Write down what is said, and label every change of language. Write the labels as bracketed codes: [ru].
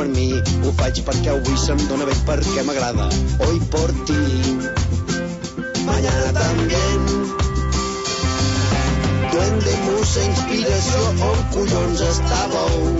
[ca] Perquè avui se'm dóna bé, perquè m'agrada. [es] Hoy por ti, mañana también. [ca] Duende musa, inspiració, on collons estàveu?